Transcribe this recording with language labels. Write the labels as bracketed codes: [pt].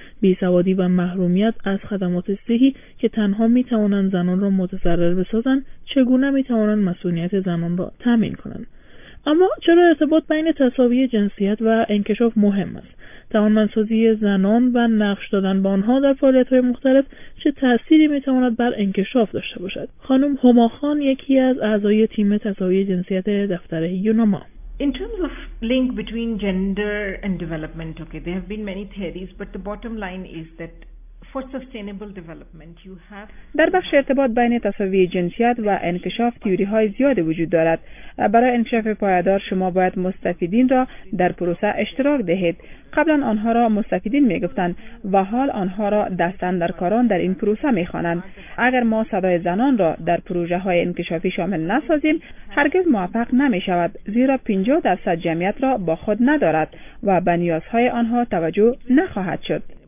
[fa] بی‌سوادی و محرومیت از خدمات صحی که تنها می‌توانند زنان را متضرر بسازند، چگونه می‌توانند مسئولیت زنان را تامین کنند؟ اما چرا ارتباط بین تساوی جنسیت و انکشاف مهم است؟ توانمندسازی زنان و نقش دادن به آنها در فعالیت‌های مختلف چه تأثیری می‌تواند بر انکشاف داشته باشد؟ خانم هما خان یکی از اعضای تیم تساوی جنسیت دفتر یونما. [en] In terms of link between gender and development, okay, there have been many theories, but the bottom line is that for sustainable development, you have. [fa] در بخش ارتباط بین تساوی جنسیت و انکشاف تئوری‌های زیادی وجود دارد. برای انکشاف پایدار شما باید مستفیدین را در پروسه اشتراک دهید. قبلا آنها را مستفیدین می گفتند و حال آنها را دست‌اندرکاران در این پروسه می خوانند. اگر ما صدای زنان را در پروژه های انکشافی شامل نسازیم، هرگز موفق نمی شود، زیرا 50% جمعیت را با خود ندارد و به نیازهای آنها توجه نخواهد شد.